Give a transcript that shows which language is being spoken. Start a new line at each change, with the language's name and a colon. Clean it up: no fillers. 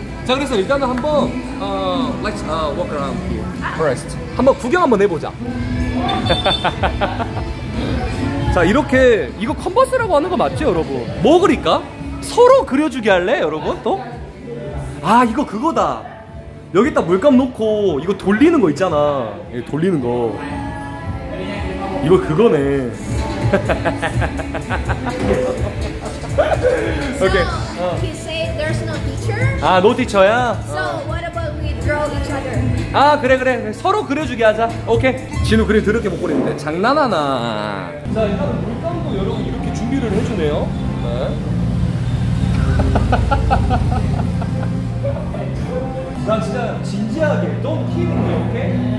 Korean: 자, 그래서 일단은 한번
English: let's walk around here first.
Korean: 한번 구경 한번 해보자. 자, 이렇게 이거 컨버스라고 하는 거 맞죠, 여러분? 뭐 그릴까? 서로 그려주기 할래, 여러분? 또? 아, 이거 그거다. 여기다 물감 놓고 이거 돌리는 거 있잖아. 이거 돌리는 거. 이거 그거네.
English: Okay. So, he said there's no teacher.
Korean: 아,
English: no teacher
Korean: 야?
English: So, what about we draw each other?
Korean: 아, 그래, 그래. 서로 그려주게 하자. 오케이. 진우 그림 더럽게 못 그리는데. 장난하나. 자, 일단 물감도 여러 분 이렇게 준비를 해주네요. 네. 나 진짜 진지하게.
English: Don't kill me, okay?